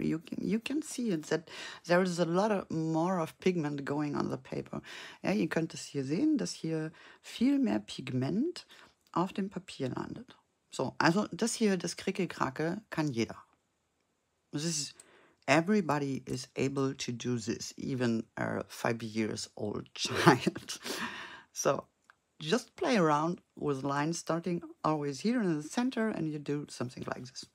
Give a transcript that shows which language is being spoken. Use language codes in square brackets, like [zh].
[en] You can see it, that there is a lot more of pigment going on the paper. [de] Ja, ihr könnt es hier sehen, dass hier viel mehr Pigment auf dem Papier landet. So, also das hier, das Krickelkrake, kann jeder. [en] This is, everybody is able to do this, even a 5-year-old child. So, just play around with lines starting always here in the center and you do something like this.